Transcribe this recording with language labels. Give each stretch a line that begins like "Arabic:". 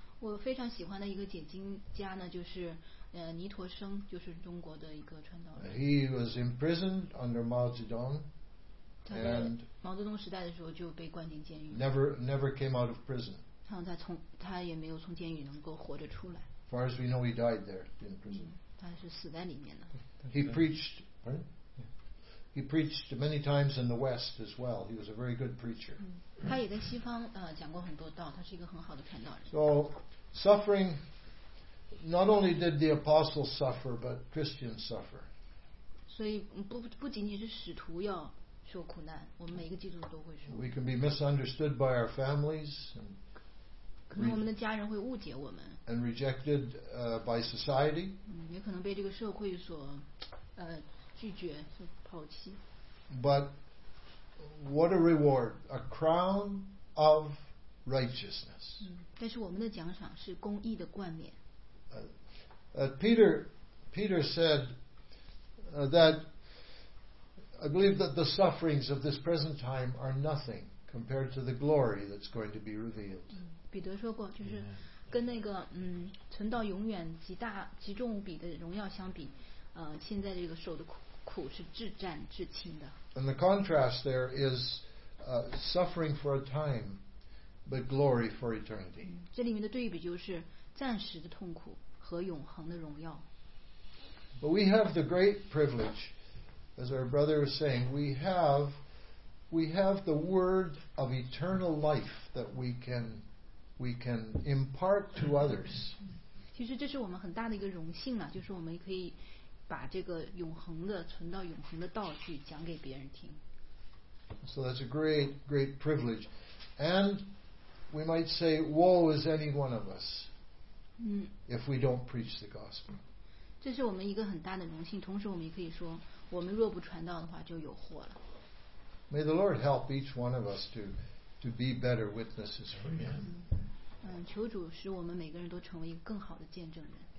Chinese: 我非常喜欢的一个解经家呢，就是尼陀生，就是中国的一个传道人。
English: He was imprisoned under Mao Zedong. And
Chinese: Mao Zedong 时代的时候就被关进监狱。
English: Never came out of prison.
Chinese: 他也没有从监狱能够活着出来。
English: As far as we know, he died there in prison.
Chinese: 他是死在里面的。
English: He preached, he preached many times in the West as well. He was a very good preacher.
Chinese: 他也在西方讲过很多道，他是一个很好的传道人。
English: So suffering, not only did the apostles suffer, but Christians suffer.
Chinese: 所以不仅仅是使徒要受苦难，我们每一个基督徒都会受。
English: We can be misunderstood by our families.
Chinese: 可能我们的家人会误解我们。
English: And rejected by society.
Chinese: 也可能被这个社会所拒绝，所抛弃。
English: But what a reward, a crown of righteousness.
Chinese: 但是我们的奖赏是公义的冠冕。
English: Peter said that I believe that the sufferings of this present time are nothing compared to the glory that's going to be revealed.
Chinese: 彼得说过，就是跟那个存到永远极大极重比的荣耀相比，现在这个受的苦是至暂至轻的。
English: And the contrast there is suffering for a time, but glory for eternity.
Chinese: 这里面的对比就是暂时的痛苦和永恒的荣耀。
English: But we have the great privilege. As our brother was saying, we have the word of eternal life that we can impart to others.
Chinese: 其实这是我们很大的一个荣幸了，就是我们可以把这个永恒的存到永恒的道去讲给别人听。
English: So that's a great, great privilege. And we might say, woe is any one of us if we don't preach the gospel.
Chinese: 这是我们一个很大的荣幸，同时我们也可以说我们若不传道的话就有祸了。
English: May the Lord help each one of us to be better witnesses for him.
Chinese: 求主使我们每个人都成为一个更好的见证人。